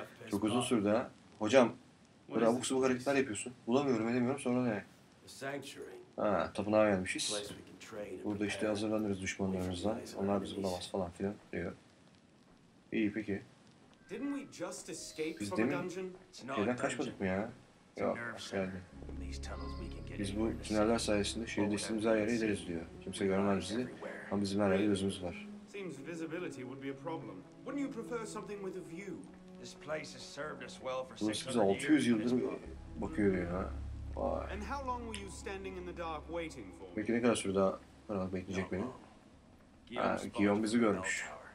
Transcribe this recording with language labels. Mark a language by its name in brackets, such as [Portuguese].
[Turkish] Çok uzun sürdü ha. Hocam, böyle abuk sabuk hareketler yapıyorsun. Bulamıyorum edemiyorum sonra ne? Ha, tapınağa gelmişiz. Burada işte hazırlanırız düşmanlarımızla. Onlar bizi bulamaz falan filan diyor. İyi peki. [English] Didn't we just escape from a dungeon? [Turkish] Şeyden kaçmadık mı ya? Yok, geldi. Biz bu tüneller sayesinde şehirde istediğimiz her yere gideriz diyor. Kimse görmez bizi ama bizim her yerde gözümüz var. [English] Seems visibility would be a problem. Wouldn't you prefer something with a view? This place has served us well for 600 years. [Turkish] Burası bize 600 yıldır bakıyor ya. Vay. [English] And how long were you standing in the dark waiting for? [Turkish] Peki ne kadar sürdü daha bekleyecek beni? Ha, Guillaume bizi görmüş.